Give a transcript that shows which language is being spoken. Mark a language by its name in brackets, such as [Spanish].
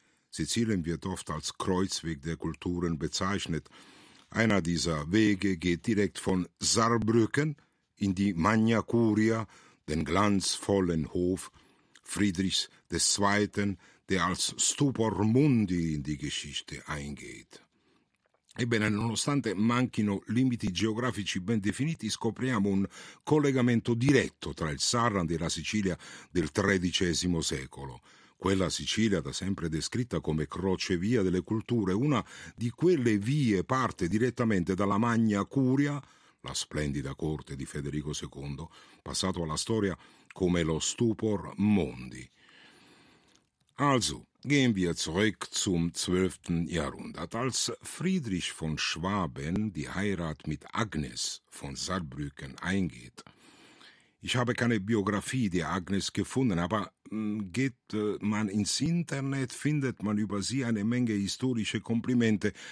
[German] Sizilien wird oft als Kreuzweg der Kulturen bezeichnet. Einer dieser Wege geht direkt von Saarbrücken in die Magna Curia, den glanzvollen Hof Friedrichs II., der als Stupor Mundi in die Geschichte eingeht. [Italian] Ebbene, nonostante manchino limiti geografici ben definiti, scopriamo un collegamento diretto tra il Saarland e la Sicilia del XIII secolo. Quella Sicilia, da sempre descritta come crocevia delle culture, una di quelle vie parte direttamente dalla Magna Curia, la splendida corte di Federico II, passato alla storia come lo Stupor Mundi. [German] Also, gehen wir zurück zum 12. Jahrhundert. Als Friedrich von Schwaben die Heirat mit Agnes von Saarbrücken eingeht, ich habe keine Biografie der Agnes gefunden, aber geht man ins Internet, findet man über sie eine Menge historische Komplimente.